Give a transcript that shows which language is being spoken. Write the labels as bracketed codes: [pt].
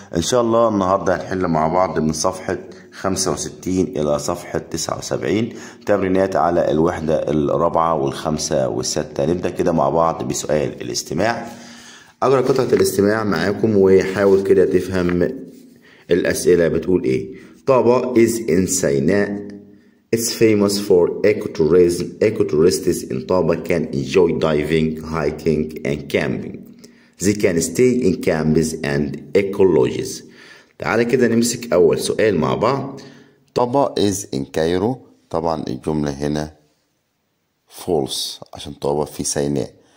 [ar] إن شاء الله النهاردة هنحل مع بعض من صفحة 65 إلى صفحة 79 تمرينات على الوحدة الرابعة والخامسة والستة. نبدأ كده مع بعض بسؤال الاستماع. أجرى قطعة الاستماع معاكم وحاول كده تفهم الأسئلة بتقول إيه. [en] طابق is in Sinai. It's famous for ecotourists in Taba can enjoy diving, hiking, and camping. They can stay in camps and ecologies. [ar] تعالى كده نمسك أول سؤال مع بعض. [en] Taba is in Cairo. [ar] طبعا الجملة هنا false عشان Taba في سيناء.